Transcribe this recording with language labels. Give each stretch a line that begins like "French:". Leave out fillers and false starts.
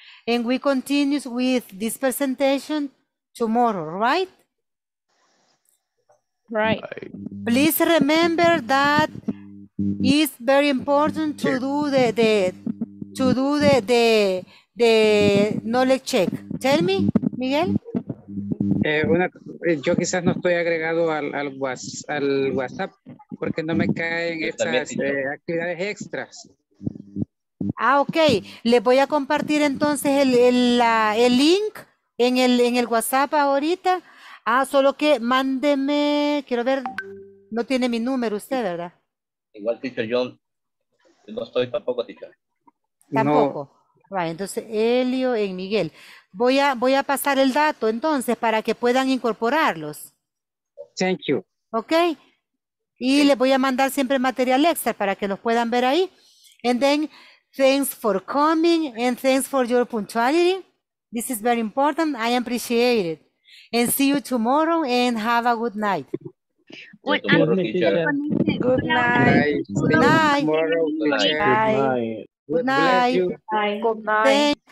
English: And we continue with this presentation tomorrow, right? Right. Please remember that it's very important to do the knowledge check. Tell me, Miguel.
Spanish: Yo quizás no estoy agregado al WhatsApp porque no me caen estas actividades extras. Ah, ok. Les voy a compartir entonces el link en el WhatsApp ahorita. Ah, solo que mándeme, quiero ver, no tiene mi número usted, ¿verdad? Igual, teacher, yo no estoy tampoco, teacher. Tampoco. No. Vale, entonces, Elio y Miguel. Voy a pasar el dato, entonces, para que puedan incorporarlos.
English: Thank you.
Spanish: Ok. Y sí. Les voy a mandar siempre material extra para que los puedan ver ahí.
English: And then, thanks for coming and thanks for your punctuality. This is very important. I appreciate it. And see you tomorrow and have a good night. Good night.